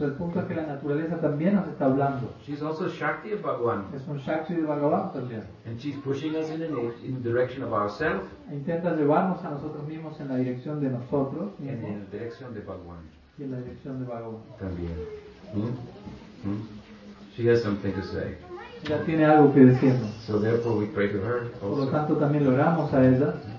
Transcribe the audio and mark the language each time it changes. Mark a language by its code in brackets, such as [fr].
[es] El punto es que la naturaleza también nos está hablando. [en] She's also Shakti of Bhagavan. [es] Es un Shakti de Bhagavan también. [en] And she's pushing us in the direction of ourselves. [es] Intenta llevarnos a nosotros mismos en la dirección de nosotros mismos. [en] And in the direction of Bhagavan. [es] Y en la dirección de Bhagavan. También. [en] She has something to say. [es] Ella tiene algo que decirnos. [en] So therefore we pray to her also. [es] Por lo tanto también lo oramos a ella.